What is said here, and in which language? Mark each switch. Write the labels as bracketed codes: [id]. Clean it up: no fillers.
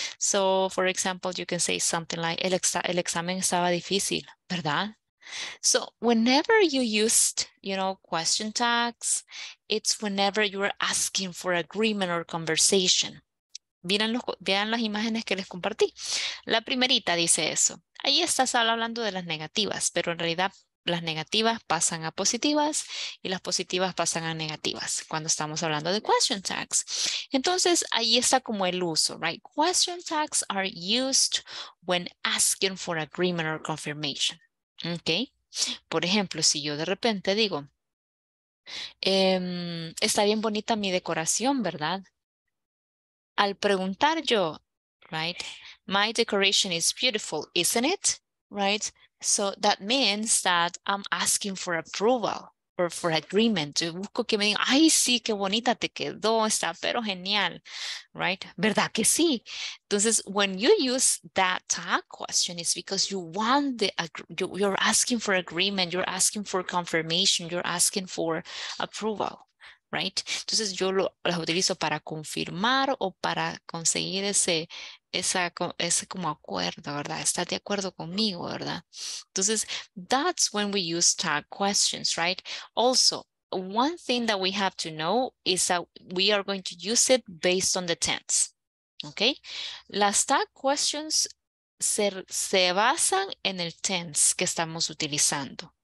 [en] So, for example, you can say something like, [es] el examen estaba difícil, ¿verdad? [en] So, whenever you used, you know, question tags, it's whenever you are asking for agreement or conversation. [es] Vean las imágenes que les compartí. La primerita dice eso. Ahí estás hablando de las negativas, pero en realidad las negativas pasan a positivas y las positivas pasan a negativas cuando estamos hablando de question tags. Entonces, ahí está como el uso, [en] right? Question tags are used when asking for agreement or confirmation, okay? [es] Por ejemplo, si yo de repente digo, está bien bonita mi decoración, ¿verdad? Al preguntar yo, [en] right, my decoration is beautiful, isn't it? Right, so that means that I'm asking for approval or for agreement. [es] Yo busco que me digan, ay, sí, qué bonita te quedó, está pero genial, right? ¿Verdad que sí? [en] Entonces, when you use that tag question, it's because you want the, you're asking for agreement, you're asking for confirmation, you're asking for approval. Right? [es] Entonces yo las utilizo para confirmar o para conseguir ese como acuerdo, ¿verdad? ¿Estás de acuerdo conmigo, verdad? [en] Entonces, that's when we use tag questions, right? Also, one thing that we have to know is that we are going to use it based on the tense, okay? [es] Las tag questions se basan en el tense que estamos utilizando.